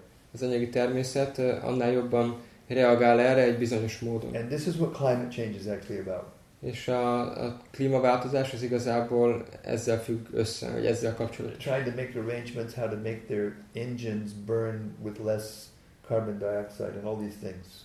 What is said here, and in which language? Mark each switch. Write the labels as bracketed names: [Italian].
[Hungarian] az anyagi természet, annál jobban reagál erre egy bizonyos módon. [English] And this is what climate change is actually about. [Hungarian] És a klímaváltozás az igazából ezzel függ össze, hogy ezzel kapcsolatban. [English] Trying to make arrangements how to make their engines burn with less carbon dioxide and all these things.